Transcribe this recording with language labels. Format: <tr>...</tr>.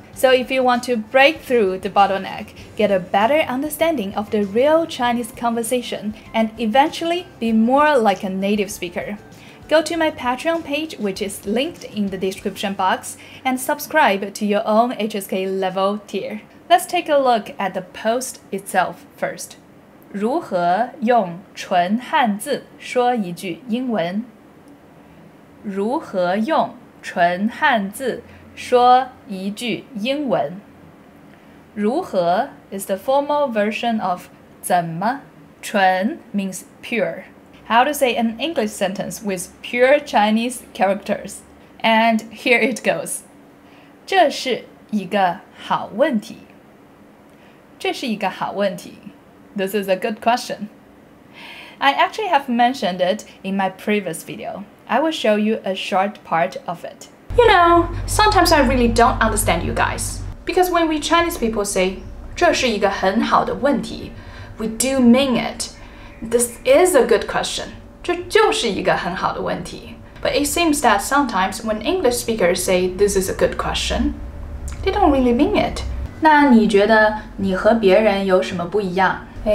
<en>So if you want to break through the bottleneck, get a better understanding of the real Chinese conversation, and eventually be more like a native speaker, go to my Patreon page, which is linked in the description box, and subscribe to your own HSK level tier. Let's take a look at the post itself first.</en> <zh>如何用纯汉字说一句英文？如何用纯汉字说一句英文。</zh> <en>如何 is the formal version of 怎么。纯 means pure. How to say an English sentence with pure Chinese characters. And here it goes.</en> <zh>这是一个好问题。这是一个好问题。</zh> <en>This is a good question. I actually have mentioned it in my previous video. I will show you a short part of it. You know, sometimes I really don't understand you guys. Because when we Chinese people say,</en> <zh>这是一个很好的问题,</zh> <en>we do mean it. This is a good question.</en> <zh>这就是一个很好的问题.</zh> <en>But it seems that sometimes when English speakers say, this is a good question, they don't really mean it.</en> <zh>那你觉得你和别人有什么不一样?</zh>